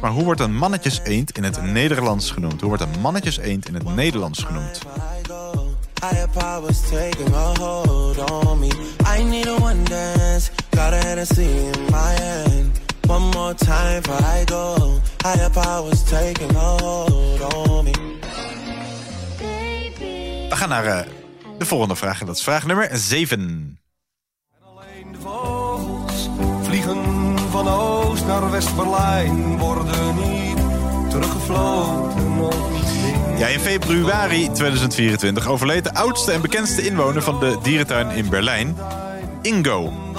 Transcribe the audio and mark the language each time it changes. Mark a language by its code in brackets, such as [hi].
[nl] Maar hoe wordt een mannetjes eend in het Nederlands genoemd? Hoe wordt een mannetjes eend in het Nederlands genoemd? [en] Higher powers taking a hold on me. I need a one dance. Got a Hennessy in my hand. One more time before I go. Higher powers taking a hold on me. [nl] We gaan naar de volgende vraag. En dat is vraag nummer 7. En alleen de vogels vliegen van oost naar West-Berlijn. Worden niet teruggevloten op. Ja, in februari 2024 overleed de oudste en bekendste inwoner van de dierentuin in Berlijn, Ingo.